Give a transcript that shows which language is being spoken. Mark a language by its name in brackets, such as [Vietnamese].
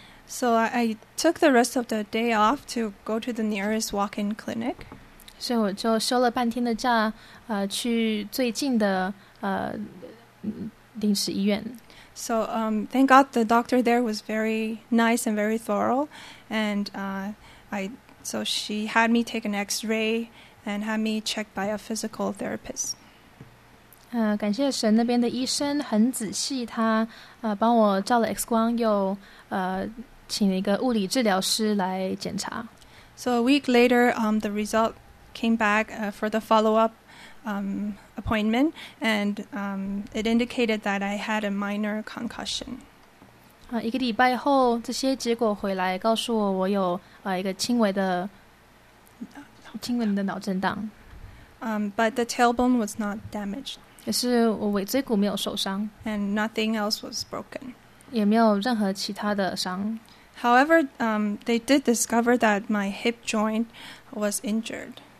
[English] So I took the rest of the day off to go to the nearest walk-in clinic. [Chinese] 所以我就休了半天的假，去最近的临时医院。 [English] So thank God the doctor there was very nice and very thorough, and I So she had me take an x-ray and had me checked by a physical therapist. [Chinese] 感谢神那边的医生很仔细，他帮我照了 X 光，又请了一个物理治疗师来检查。 [English] So a week later, the result came back for the follow-up appointment, and it indicated that I had a minor concussion. [Chinese] 一个礼拜后，这些结果回来，告诉我我有一个轻微的脑震荡。 [English] But the tailbone was not damaged. [Chinese] 也是我尾椎骨没有受伤 [English] ，and nothing else was broken， [Chinese] 也没有任何其他的伤。 [English] However, they did discover that my hip joint was injured.